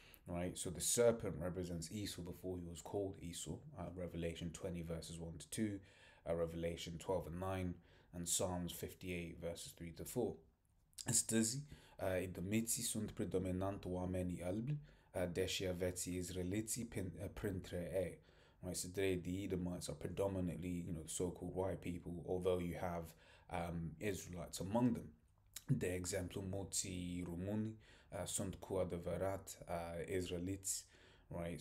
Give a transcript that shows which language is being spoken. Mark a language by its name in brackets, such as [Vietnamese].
[English] Right, so the serpent represents Esau before he was called Esau, Revelation 20 verses 1 to 2, Revelation 12 and 9, and Psalms 58 verses 3 to 4. [Romanian] Astăzi, idomiții sunt predominant oamenii albi, deși aveți izraeliții printre ei. [English] Right, so today the Edomites are predominantly, you know, so-called white people, although you have Israelites among them. [Romanian] De exemplu, mulți români sunt cu adevărat israeliți, right?